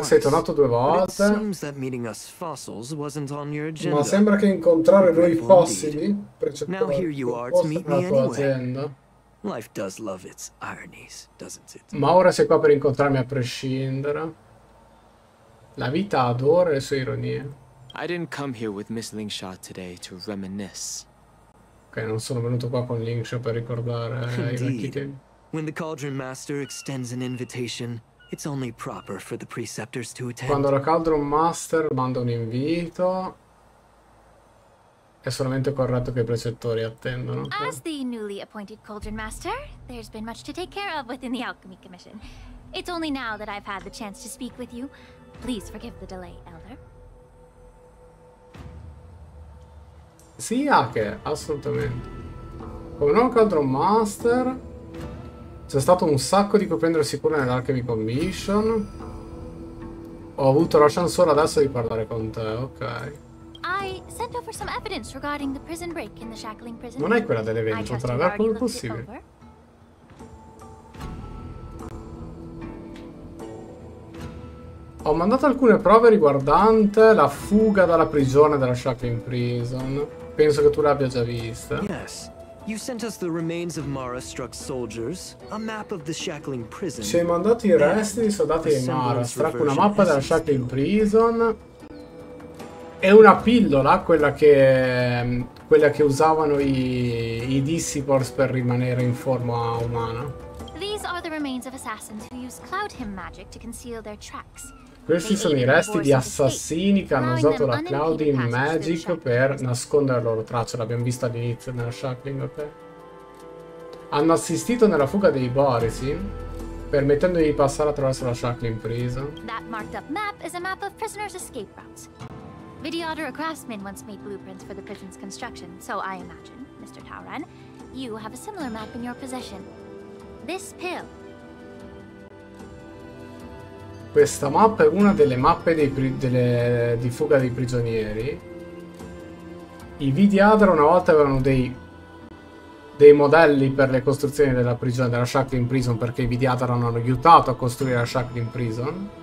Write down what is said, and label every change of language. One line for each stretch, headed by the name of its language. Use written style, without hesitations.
Italian: sei tornato due volte. Ma sembra che incontrare noi fossili precettamente la tua azienda.
English: Life does love its ironies, doesn't it?
Italian: Ma ora sei qua per incontrarmi a prescindere. La vita adora le sue ironie.
English: I didn't come here with Miss Lingxia today to reminisce.
Italian: Ok, non sono venuto qua con Lingxia per ricordare i vecchi tempi.
English: When the Cauldron Master extends an invitation, it's only proper for the preceptors to attend.
Italian: Quando la Cauldron Master manda un invito, è solamente corretto che i precettori attendano.
English: As the newly appointed Cauldron Master, there's been much to take care of within the Alchemy Commission. It's only now that I've had the chance to speak with you. Please forgive the delay, Elder.
Italian: Sì, Ake, assolutamente. Come nuovo Cauldron Master, c'è stato un sacco di cui prendersi cura nell'Alchemy Commission. Ho avuto la chance solo adesso di parlare con te, ok.
English: I sent over some evidence regarding the prison break in the Shackling prison.
Italian: Non è quella dell'evento, però è quello possibile. Ho mandato alcune prove riguardante la fuga dalla prigione della Shackling Prison. Penso che tu l'abbia già vista.
English: Yes. You sent us the remains of Mara-struck soldiers, a map of the Shackling prison.
Italian: Ci hai mandato i resti di soldati di Mara-struck, una mappa della Shackling prison. È una pillola, quella che usavano i Dissipors per rimanere in forma umana.
English: These are the remains of assassins who use cloud hymn magic to conceal their tracks.
Italian: Questi sono i resti di assassini che hanno usato la Cloud in Magic per nascondere la loro traccia. L'abbiamo vista all'inizio nella Shackling, ok? Hanno assistito nella fuga dei Borisin, permettendogli di passare attraverso la Shackling Prison.
English: That marked up map is a map of prisoners' escape routes. Videodora Craftsman once made blueprints for the prison's construction, so I imagine, Mr. Tauran, you have a similar map in your possession. This pill.
Italian: Questa mappa è una delle mappe di fuga dei prigionieri. I Vidiadra una volta avevano dei modelli per le costruzioni della prigione, della Shackling Prison, perché i Vidiadra hanno aiutato a costruire la Shackling Prison.